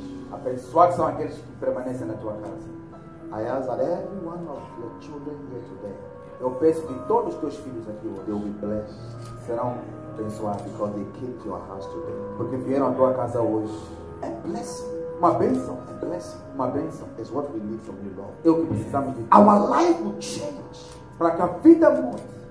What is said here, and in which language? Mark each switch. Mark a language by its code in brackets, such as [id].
[pt] Abençoados são aqueles que permanecem na tua casa. [en] I ask that every one of your children here today. [pt] Eu peço que todos os teus filhos aqui hoje, [en] they will be blessed. [pt] Serão abençoados, [en] because they came to your house today. [pt] Porque vieram à tua casa hoje. [en] A blessing. [pt] Uma bênção. [en] A blessing. [pt] Uma bênção. [en] Is what we need from you, Lord. [pt] É o que precisamos de ti. [en] Our life will change. [pt] Para que a vida mude.